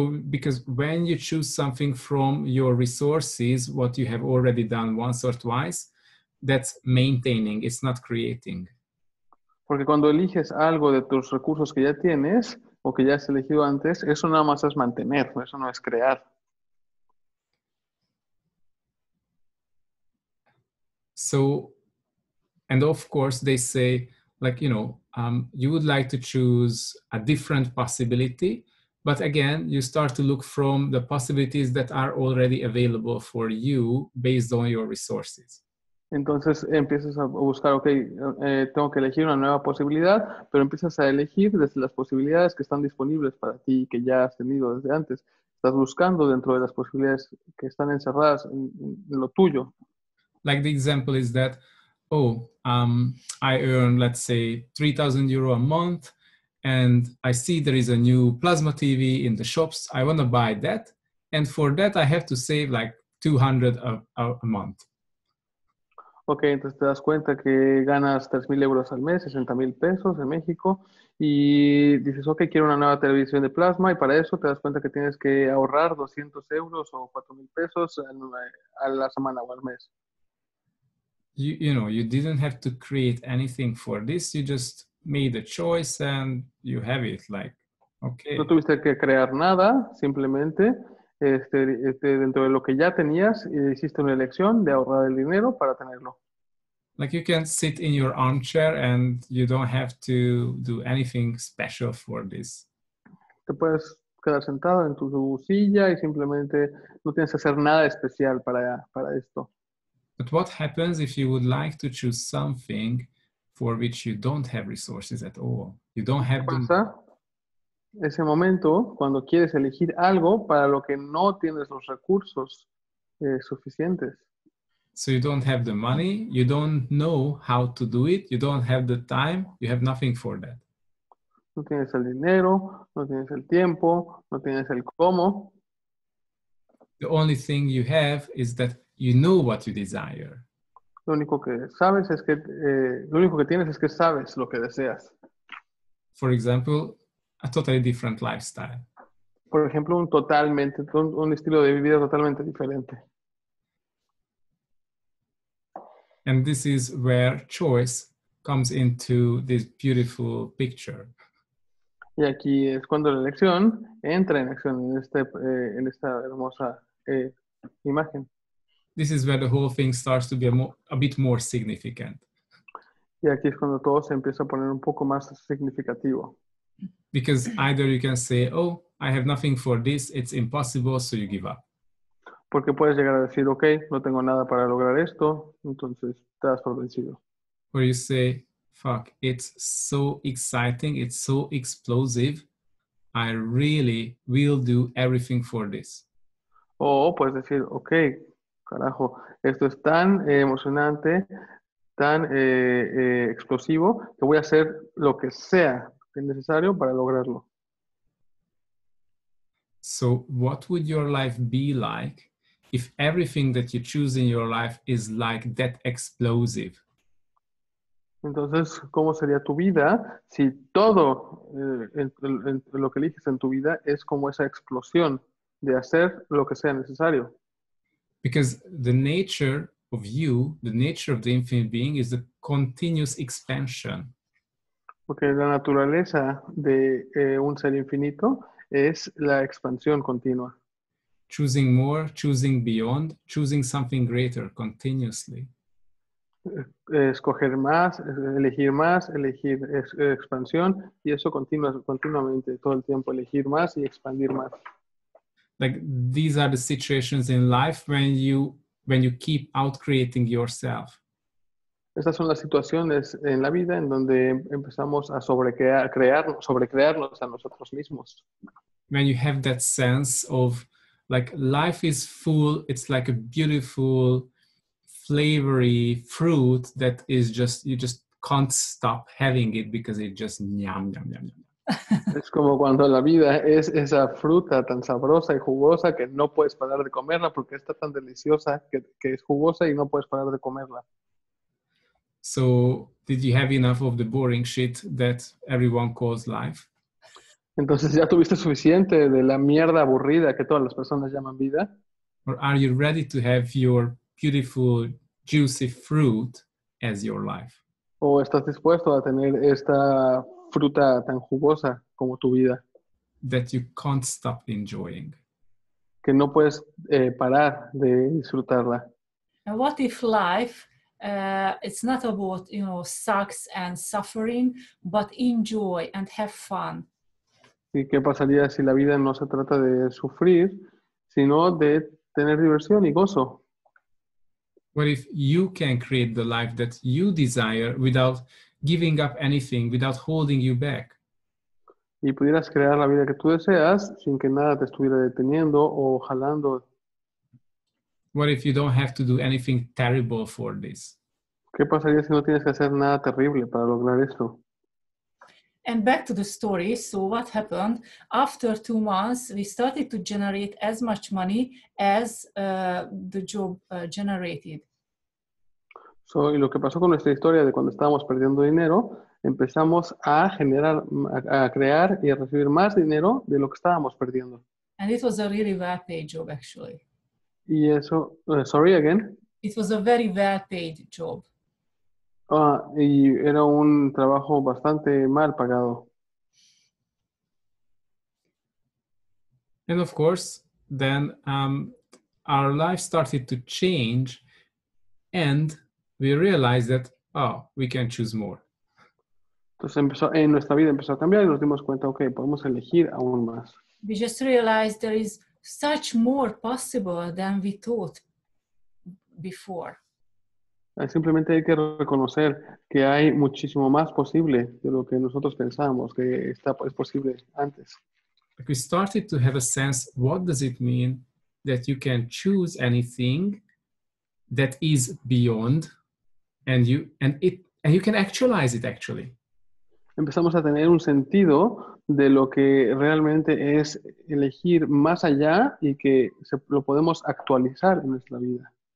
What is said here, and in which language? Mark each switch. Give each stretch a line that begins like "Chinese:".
English: Because when you choose something from your resources, what you have already done once or twice, that's maintaining, it's not creating.
Spanish: Porque cuando eliges algo de tus recursos que ya tienes, o que ya has elegido antes, eso nada más es mantener, eso no es crear.
English: So, and of course they say, like, you know, you would like to choose a different possibility, but again, you start to look from the possibilities that are already available for you based on your resources.
Spanish: Entonces empiezas a buscar, okay, tengo que elegir una nueva posibilidad, pero empiezas a elegir desde las posibilidades que están disponibles para ti y que ya has tenido desde antes. Estás buscando dentro de las posibilidades que están encerradas en lo tuyo.
English: Like the example is that, I earn, let's say, 3,000 euro a month and I see there is a new plasma TV in the shops. I want to buy that. And for that, I have to save like 200 a month.
Spanish: Ok, entonces te das cuenta que ganas 3,000 euros al mes, 60,000 pesos en México, y dices, ok, quiero una nueva televisión de plasma, y para eso te das cuenta que tienes que ahorrar 200 euros o 4,000 pesos a la semana o al mes.
English: You know, you didn't have to create anything for this, you just made a choice and you have it, like, ok.
Spanish: No tuviste que crear nada, simplemente... dentro de lo que ya tenías, hiciste una elección de ahorrar el dinero para tenerlo.
English: Like you can sit in your armchair and you don't have to do anything special for this.
Spanish: Te puedes quedar sentado en tu silla y simplemente no tienes que hacer nada especial para esto.
English: But what happens if you would like to choose something for which you don't have resources at all? You don't have the...
Spanish: Ese momento cuando quieres elegir algo para lo que no tienes los recursos suficientes.
English: So you don't have the money, you don't know how to do it, you don't have the time, you have nothing for that.
Spanish: No tienes el dinero, no tienes el tiempo, no tienes el cómo.
English: The only thing you have is that you know what you desire.
Spanish: Lo único que sabes es que lo único que tienes es que sabes lo que deseas.
English: For example, a totally different lifestyle.
Spanish: Por ejemplo, un estilo de vida totalmente diferente.
English: And this is where choice comes into this beautiful picture.
Spanish: Y aquí es cuando la elección entra en acción en esta hermosa imagen.
English: This is where the whole thing starts to be a bit more significant.
Spanish: Y aquí es cuando todo se empieza a poner un poco más significativo.
English: Because either you can say, oh, I have nothing for this, it's impossible, so you give up.
Spanish: Porque puedes llegar a decir, okay, no tengo nada para lograr esto, entonces te das por vencido.
English: Or you say, fuck, it's so exciting, it's so explosive, I really will do everything for this.
Spanish: O puedes decir, okay, carajo, esto es tan emocionante, tan explosivo, que voy a hacer lo que sea. Es necesario para lograrlo.
English: So, what would your life be like if everything that you choose in your life is like that explosive?
Spanish: Entonces, ¿cómo sería tu vida si todo lo que eliges en tu vida es como esa explosión de hacer lo que sea necesario?
English: Because the nature of you, the nature of the infinite being, is a continuous expansion.
Spanish: Porque la naturaleza de un ser infinito es la expansión continua.
English: Choosing more, choosing beyond, choosing something greater continuously.
Spanish: Escoger más, elegir expansión, y eso continuamente, todo el tiempo, elegir más y expandir más.
English: Like, these are the situations in life when you keep out-creating yourself.
Spanish: Estas son las situaciones en la vida en donde empezamos a sobrecrearnos a nosotros mismos.
English: When you have that sense of, like, life is full, it's like a beautiful, flavory fruit that is just, you just can't stop having it because it just yum, yum, yum, yum.
Spanish: Es como cuando la vida es esa fruta tan sabrosa y jugosa que no puedes parar de comerla porque está tan deliciosa que es jugosa y no puedes parar de comerla.
English: So, did you have enough of the boring shit that everyone calls life?
Spanish: Entonces, ¿ya tuviste suficiente de la mierda aburrida que todas las personas llaman vida?
English: Or are you ready to have your beautiful, juicy fruit as your life?
Spanish: ¿O estás dispuesto a tener esta fruta tan jugosa como tu vida?
English: That you can't stop enjoying.
Spanish: Que no puedes parar de disfrutarla.
English: And what if life... it's not about, you know, sucks and suffering, but enjoy and have fun.
Spanish: ¿Y qué pasaría si la vida no se trata de sufrir, sino de tener diversión y gozo?
English: What if you can create the life that you desire without giving up anything, without holding you back?
Spanish: ¿Y pudieras crear la vida que tú deseas sin que nada te estuviera deteniendo o jalando?
English: What if you don't have to do anything terrible for this?
Spanish: ¿Qué pasaría si no tienes que hacer nada terrible para lograr esto?
English: And back to the story. So what happened? After 2 months, we started to generate as much money as the job generated.
Spanish: So, y lo que pasó con nuestra historia de cuando estábamos perdiendo dinero, empezamos a generar, a crear y a recibir más dinero de lo que estábamos perdiendo.
English: And it was a really well-paid job, actually.
Spanish: Y eso,
English: sorry again. It was a very well-paid job.
Spanish: Y era un trabajo bastante mal pagado.
English: And of course, then our life started to change, and we realized that we can choose more.
Spanish: Entonces nuestra vida empezó a cambiar y nos dimos cuenta, okay, podemos elegir aún más.
English: We just realized there is such more possible than we thought before.
Spanish: Simplemente hay que reconocer que hay muchísimo más posible de lo que nosotros pensábamos que es posible antes.
English: Like, we started to have a sense, what does it mean that you can choose anything that is beyond and you can actualize it actually.
Spanish: Empezamos a tener un sentido de lo que realmente es elegir más allá y que lo podemos actualizar en nuestra vida.